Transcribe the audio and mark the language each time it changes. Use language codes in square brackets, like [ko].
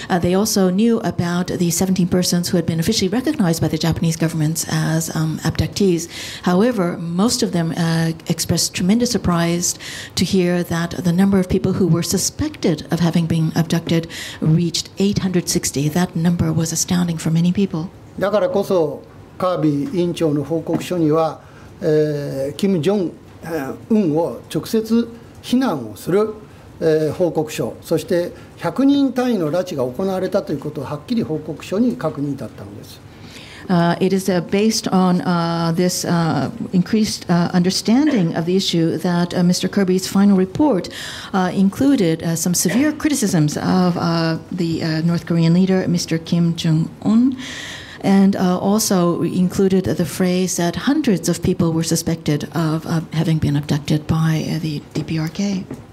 [en] They also knew about the 17 persons who had been officially recognized by the Japanese government as abductees. However, most of them expressed tremendous surprise to hear that the number of people who were suspected of having been abducted reached 860. That number was astounding for many people. [ja] だからこそカービー委員長の報告書には、キム・ジョン・ウンを直接非難をする、報告書、そして100人単位の拉致が行われたということをはっきり報告書に確認だったのです。 [en] It is based on this increased understanding of the issue that Mr. Kirby's final report included some severe criticisms of the North Korean leader, Mr. Kim Jong-un. And also included the phrase that hundreds of people were suspected of having been abducted by the DPRK.